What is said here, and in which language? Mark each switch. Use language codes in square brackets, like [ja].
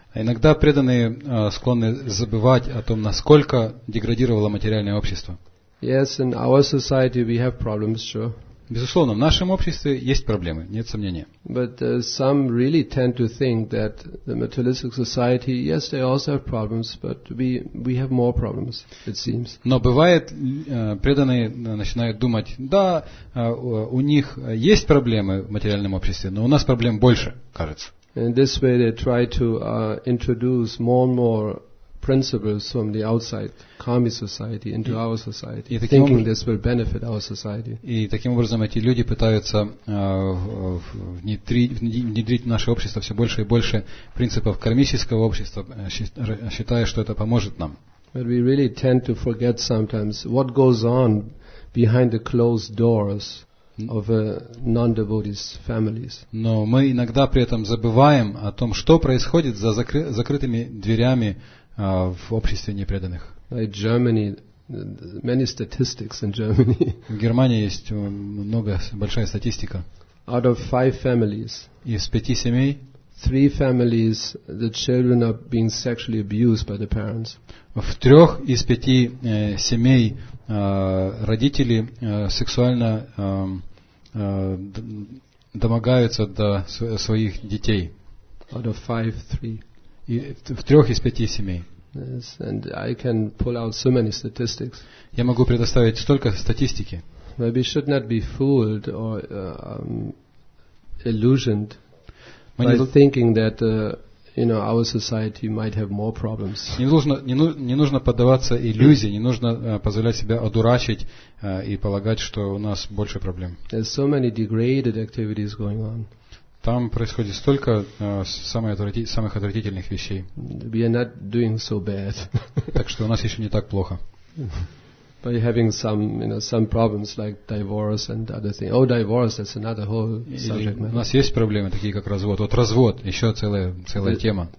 [ru] Иногда преданные склонны забывать о том, насколько деградировало материальное общество. [en] Yes, in our society we have problems, sure. [ru] Безусловно, в нашем обществе есть проблемы, нет сомнения. [en] But some really tend to think that the materialistic society, yes, they also have problems, but we have more problems, it seems. [ru] Но бывает, преданные начинают думать, да, у них есть проблемы в материальном обществе, но у нас проблем больше, кажется. [en] In this way they try to introduce more and more principles from the outside, commie society, into our society, thinking this will benefit our society. [ru] И таким образом эти люди пытаются внедрить в наше общество все больше и больше принципов кармического общества, считая, что это поможет нам. [en] But we really tend to forget sometimes what goes on behind the closed doors of non-devotees families. [ru] Но мы иногда при этом забываем о том, что происходит за закрытыми дверями в обществе непреданных. [en] Like Germany, many statistics in Germany. [ru] В Германии есть большая статистика. [en] Out of five families, [ru] из пяти семей, [en] three families, the children are being sexually abused by the parents. [ru] В трех из пяти семей родители сексуально домогаются до своих детей. [en] Out of five, three. [ru] И в трех из пяти семей. [en] Yes, and I can pull out so many statistics. [ru] Я могу предоставить столько статистики. [en] But we should not be fooled or illusioned by thinking that you know, our society might have more problems. [ru] Не нужно поддаваться иллюзии, не нужно позволять себя одурачить и полагать, что у нас больше проблем. [en] There's so many degraded activities going on. [ru] Там происходит столько самых отвратительных вещей. [en] We are not doing so bad. [ru] Так что у нас еще не так плохо. [en] By having some, you know, some problems like divorce and other things. Oh, divorce, that's another whole subject matter. [ru] У нас есть проблемы такие, как развод. Вот развод, еще целая тема.